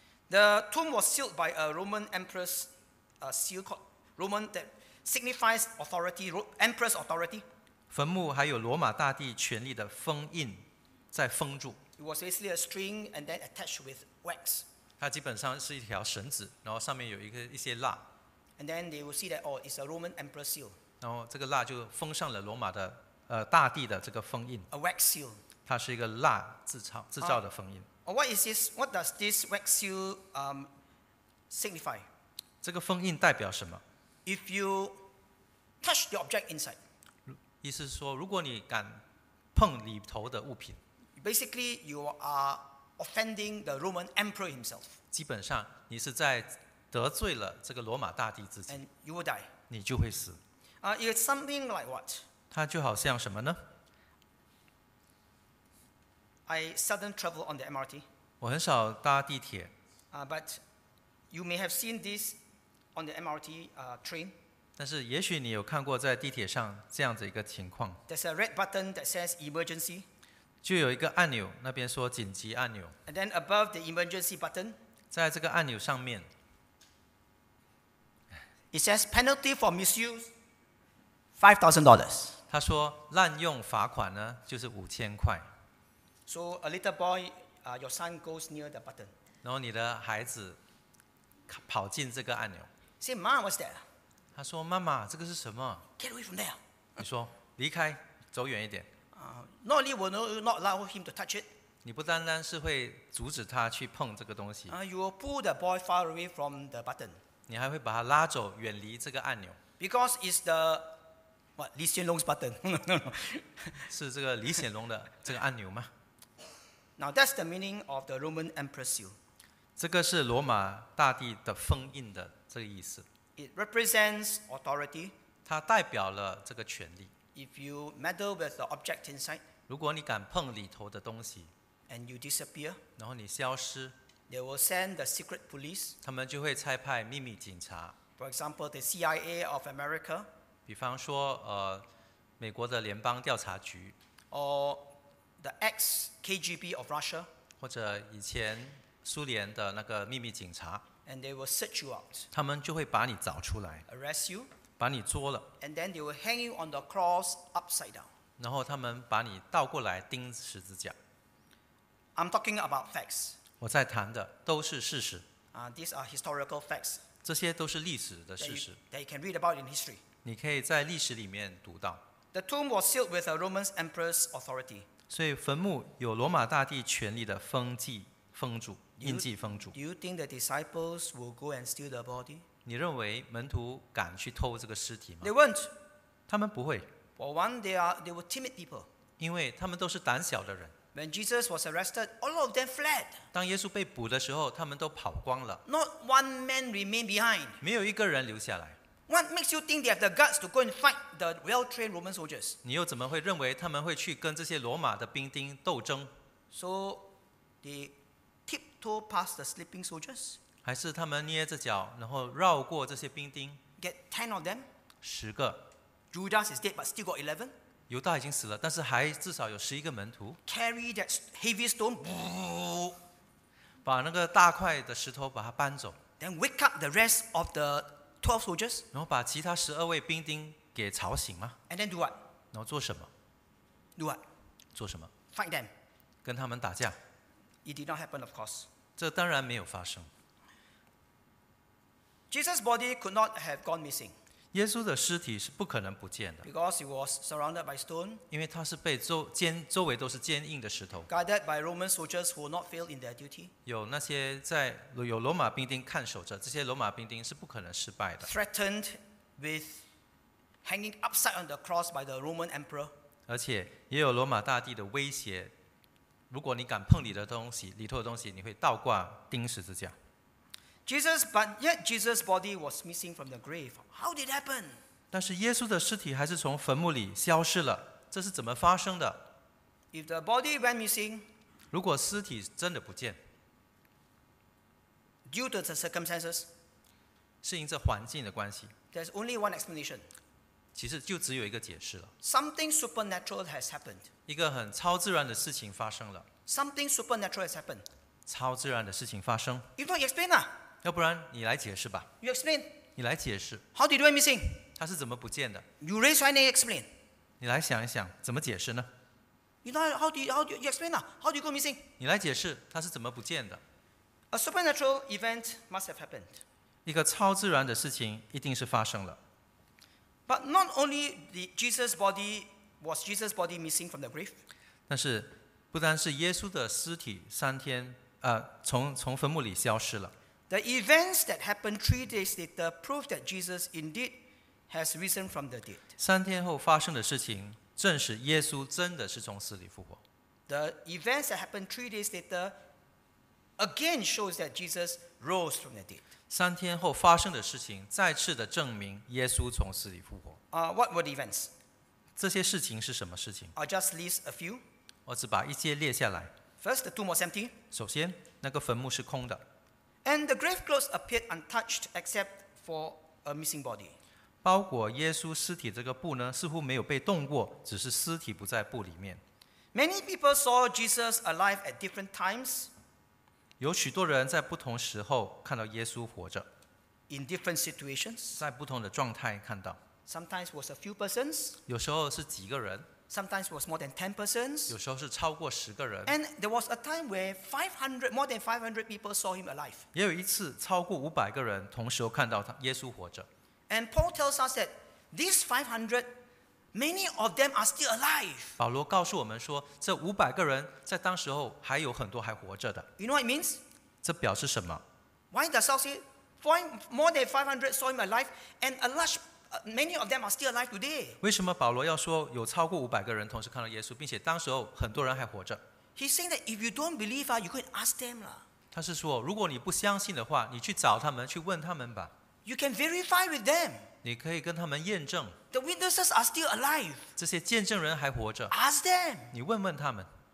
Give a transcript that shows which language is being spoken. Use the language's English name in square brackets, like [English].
[English] The tomb was sealed by a Roman emperor's seal called Roman that signifies authority, emperor's authority. [Chinese] 坟墓还有罗马大帝权力的封印在封住。 [English] It was basically a string and then attached with wax. [Chinese] 它基本上是一条绳子，然后上面有一些蜡。 [English] And then they will see that oh, it's a Roman emperor's seal. [Chinese] 然后这个蜡就封上了罗马的大帝的这个封印。 [English] A wax seal. [Chinese] 它是一个蜡制造的封印。 [English] What is this? What does this wax seal signify? [Chinese] 这个封印代表什么？ [English] If you touch the object inside, [Chinese] 意思是说，如果你敢碰里头的物品， [English] basically you are offending the Roman emperor himself. [Chinese] 基本上你是在得罪了这个罗马大帝自己。 [English] And you will die. [Chinese] 你就会死。 [English] It's something like what? [Chinese] 它就好像什么呢？ [English] I seldom travel on the MRT. [Chinese] 我很少搭地铁。 [English] But you may have seen this on the MRT train. [Chinese] 但是也许你有看过在地铁上这样子一个情况。 [English] There's a red button that says emergency. [Chinese] 就有一个按钮，那边说紧急按钮。 [English] And then above the emergency button， [Chinese] 在这个按钮上面 [English] ，It says penalty for misuse $5,000。 [Chinese] 他说滥用罚款呢，就是5000块。 [English] So a little boy, your son goes near the button。 [Chinese] 然后你的孩子跑进这个按钮。 [English] Say, Mom, what's that？ [Chinese] 他说妈妈，这个是什么 [English] ？Get away from there！ [Chinese] 你说离开，走远一点。 [English] Not only will you not allow him to touch it， [Chinese] 你不单单是会阻止他去碰这个东西。 [English] You will pull the boy far away from the button。 [Chinese] 你还会把他拉走，远离这个按钮。 [English] Because it's the what Lee Hsien Loong's button [Chinese] 是这个李显龙的这个按钮吗 [English] ？Now that's the meaning of the Roman Emperor's seal。 [Chinese] 这个是罗马大帝的封印的这个意思。 [English] It represents authority。 [Chinese] 它代表了这个权力。 [English] If you meddle with the object inside， [Chinese] 如果你敢碰里头的东西 [English] ，and you disappear， [Chinese] 然后你消失 [English] ，they will send the secret police， [Chinese] 他们就会差派秘密警察。 [English] For example, the CIA of America， [Chinese] 比方说美国的联邦调查局 [English] ，or the ex-KGB of Russia， [Chinese] 或者以前苏联的那个秘密警察 [English] ，and they will search you out， [Chinese] 他们就会把你找出来 [English] ，arrest you。 [Chinese] 把你捉了 [English] ，and then they will hang you on the cross upside down。 [Chinese] 然后他们把你倒过来钉十字架。 [English] I'm talking about facts。 [Chinese] 我在谈的都是事实。 [English] These are historical facts。 [Chinese] 这些都是历史的事实。 [English] That you can read about in history。 [Chinese] 你可以在历史里面读到。 [English] The tomb was sealed with a Roman emperor's authority。 [Chinese] 所以坟墓有罗马大帝权力的封记、封住、印记、封住。 [English] Do you think the disciples will go and steal the body？ [Chinese] 你认为门徒敢去偷这个尸体吗 [English] ？They won't。 [Chinese] 他们不会。 [English] For one, they were timid people。 [Chinese] 因为他们都是胆小的人。 [English] When Jesus was arrested, all of them fled。 [Chinese] 当耶稣被捕的时候，他们都跑光了。 [English] Not one man remained behind。 [Chinese] 没有一个人留下来。 [English] What makes you think they have the guts to go and fight the well-trained Roman soldiers？ [Chinese] 你又怎么会认为他们会去跟这些罗马的兵丁斗争 [English] ？So they tiptoe past the sleeping soldiers。 [Chinese] 还是他们捏着脚，然后绕过这些兵丁。 [English] Get ten of them。 [Chinese] 十个。 [English] Judas is dead, but still got 11。 [Chinese] 犹大已经死了，但是还至少有11个门徒。 [English] Carry that heavy stone， [Chinese] 把那个大块的石头把它搬走。 [English] Then wake up the rest of the 12 soldiers。 [Chinese] 然后把其他12位兵丁给吵醒吗 [English] ？And then do what？ [Chinese] 然后做什么 [English] ？Do what？ [Chinese] 做什么 [English] ？Fight them。 [Chinese] 跟他们打架。 [English] It did not happen, of course。 [Chinese] 这当然没有发生。 [English] Jesus' body could not have gone missing. [Chinese] 耶稣的尸体是不可能不见的。 [English] Because he was surrounded by stone. [Chinese] 因为他是被周围都是坚硬的石头。 [English] Guarded by Roman soldiers who will not fail in their duty. [Chinese] 有那些在有罗马兵丁看守着，这些罗马兵丁是不可能失败的。 [English] Threatened with hanging upside on the cross by the Roman emperor. [Chinese] 而且也有罗马大帝的威胁，如果你敢碰你的东西，里头的东西，你会倒挂钉十字架。 [English] Jesus, but yet Jesus' body was missing from the grave. How did it happen? [Chinese] 但是耶稣的尸体还是从坟墓里消失了，这是怎么发生的？ [English] If the body went missing, [Chinese] 如果尸体真的不见， [English] due to the circumstances, [Chinese] 是因着环境的关系。 [English] There's only one explanation. [Chinese] 其实就只有一个解释了。 [English] Something supernatural has happened. [Chinese] 一个很超自然的事情发生了。 [English] Something supernatural has happened. [Chinese] 超自然的事情发生。 [English] If not, explain it. [Chinese] 要不然你来解释吧。 [English] You explain. [Chinese] 你来解释。 [English] How did it went missing? [Chinese] 他是怎么不见的 [English] ？You raise your hand. Explain. [Chinese] 你来想一想，怎么解释呢 [English] ？You know how do you explain? How do you go missing? [Chinese] 你来解释他是怎么不见的 [English] ？A supernatural event must have happened. [Chinese] 一个超自然的事情一定是发生了。 [English] But not only the Jesus body was Jesus body missing from the grave. [Chinese] 但是不单是耶稣的尸体三天从坟墓里消失了。 [English] The events that happened 3 days later prove that Jesus indeed has risen from the dead. [Chinese] 三天后发生的事情证实耶稣真的是从死里复活。 [English] The events that happened 3 days later again shows that Jesus rose from the dead. [Chinese] 三天后发生的事情再次的证明耶稣从死里复活。 [English] What were the events? [Chinese] 这些事情是什么事情？ [English] I'll just list a few. [Chinese] 我只把一些列下来。 [English] First, the tomb was empty. [Chinese] 首先，那个坟墓是空的。 [English] And the grave clothes appeared untouched, except for a missing body. [Chinese] 包裹耶稣尸体这个布呢，似乎没有被动过，只是尸体不在布里面。 [English] Many people saw Jesus alive at different times. [Chinese] 有许多人在不同时候看到耶稣活着。 [English] In different situations. [Chinese] 在不同的状态看到。 [English] Sometimes was a few persons. [Chinese] 有时候是几个人。 [English] Sometimes was more than 10 persons. [Chinese] 有时候是超过十个人。 [English] And there was a time where 500, more than 500 people saw him alive. [Chinese] 也有一次超过五百个人同时看到耶稣活着。 [English] And Paul tells us that these 500, many of them are still alive. [Chinese] 保罗告诉我们说，这五百个人在当时候还有很多还活着的。 [English] You know what it means? [Chinese] 这表示什么？ [English] Why does Paul say more than 500 saw him alive and a large person? Many of them are still alive today. [Chinese] 为什么保罗要说有超过五百个人同时看到耶稣，并且当时候很多人还活着 [English] ？He's saying that if you don't believe, you can ask them. [Chinese] 他是说，如果你不相信的话，你去找他们，去问他们吧。 [English] You can verify with them. [Chinese] 你可以跟他们验证。 [English] The witnesses are still alive. [Chinese] 这些见证人还活着。 [English] Ask them. [Chinese] 你问问他们。